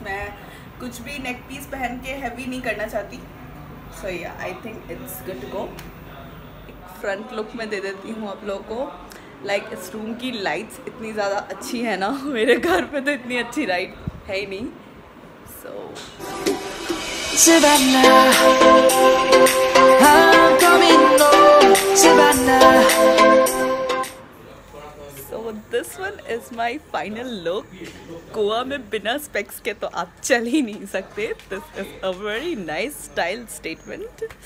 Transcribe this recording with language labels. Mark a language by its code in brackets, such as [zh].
[hi] मैं कुछ भी नेक पीस पहन के हैवी नहीं करना चाहती, [en] So या I think it's good to go. [hi] एक फ्रंट लुक मैं दे देती हूँ आप लोगों को, लाइक इस रूम की लाइट्स इतनी ज़्यादा अच्छी है ना, मेरे घर पर तो इतनी अच्छी लाइट है ही नहीं. [en] So Savannah, I'm coming home. Savannah. This one is my final look. [hi] Goa में बिना स्पेक्स के तो आप चल ही नहीं सकते. [en] This is a very nice style statement.